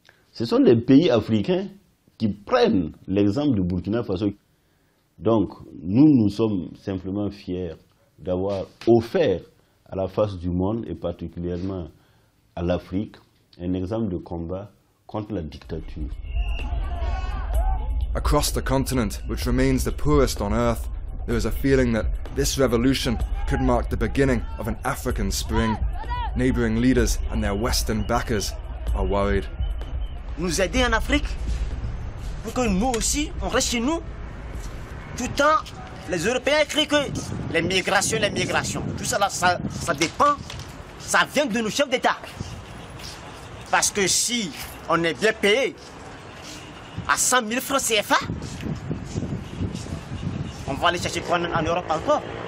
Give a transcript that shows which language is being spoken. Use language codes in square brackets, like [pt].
[fr] Ce sont les pays africains qui prennent l'exemple du Burkina Faso. Donc, nous sommes simplement fiers d'avoir offert à la face du monde et particulièrement à l'Afrique un exemple de combat contre la dictature. [en] Across the continent, which remains the poorest on earth, there is a feeling that this revolution could mark the beginning of an African spring. Neighboring leaders and their Western backers are worried. [fr] Nous aider en Afrique pour que nous aussi on reste chez nous. Tout le temps, les Européens crient que les migrations, tout ça, ça dépend, ça vient de nos chefs d'État. Parce que si on est bien payé à 100 000 francs CFA, on va aller chercher quoi en Europe encore.